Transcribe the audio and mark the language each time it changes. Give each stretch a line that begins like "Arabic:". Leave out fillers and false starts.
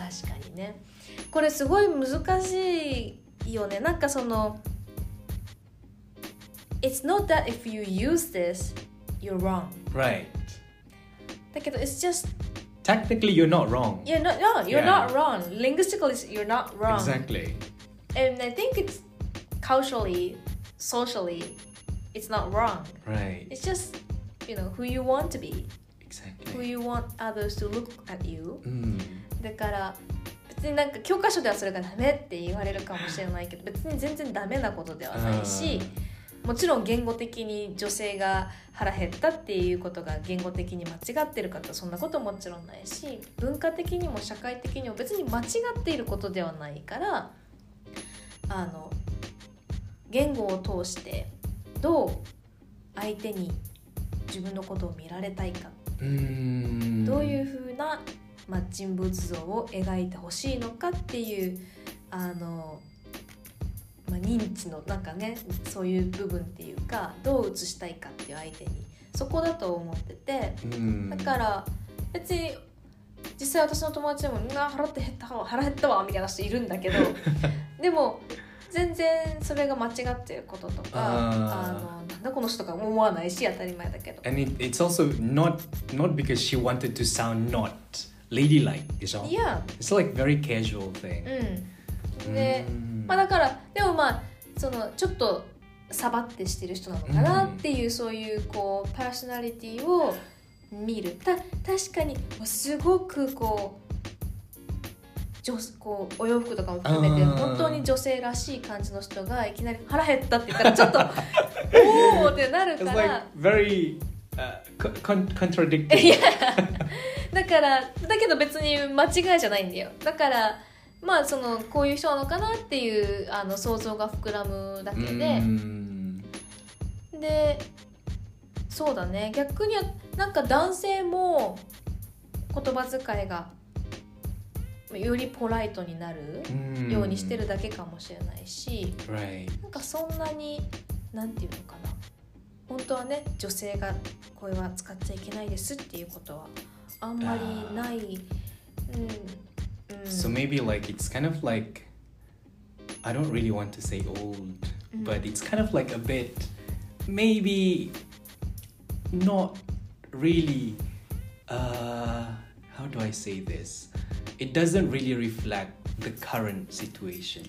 Japanese: 確かにね、これすごい難しいよね。なんかその
English: It's not that if you use this, you're wrong. Right.
Japanese: だけど
English: It's just Technically you're not wrong. Yeah, no, no, you're not wrong. Linguistically you're not wrong. Exactly. And I think it's culturally,Socially, it's not wrong. Right. It's just, you know, who you want to be. Exactly. Who you want others to look at you.、 Mm.
Japanese: だから、別になんか教科書ではそれがダメって言われるかもしれないけど、別に全然ダメなことではないし、もちろん言語的に女性が腹減ったっていうことが言語的に間違ってるかって、そんなことももちろんないし、文化的にも社会的にも別に間違っていることではないから、あの、言語を通してどう相手に自分のことを見られたいか、どういうふうな、まあ、人物像を描いてほしいのかっていう、あの、まあ、認知のなんかね、そういう部分っていうか、どう映したいかっていう相手に、そこだと思ってて、だから別に実際私の友達でもみんな腹って減った、腹減ったわみたいな人いるんだけど、でも全然それが間違ってることとか、あの、なんだこの人とか思わないし、当たり前だけど。
English: And it's also not because she wanted to sound not ladylike,
Japanese: でしょ? Yeah.
English: It's like very casual thing. うん。
Japanese: で、まあだから、でもまあ、その、ちょっとサバってしてる人なのかなっていう、そういうこう、パーソナリティを見る。確かに、すごくこう、こうお洋服とかも含めて本当に女性らしい感じの人がいきなり腹減ったって言ったらちょっとおーってなるから、
English: like、very contradictory
Japanese: だから、だけど別に間違いじゃないんだよ。だからまあそのこういう人なのかなっていう、あの、想像が膨らむだけで、でそうだね、逆になんか男性も言葉遣いがよりポライトになるようにしてるだけかもしれないし、
English: right.
Japanese: なんかそんなに、なんていうのかな、本当はね、女性が声は使っちゃいけないですっていうことはあんまりない、
English: So maybe like it's kind of like I don't really want to say old、but it's kind of like a bit maybe not really how do I say thisIt doesn't really reflect the current situation.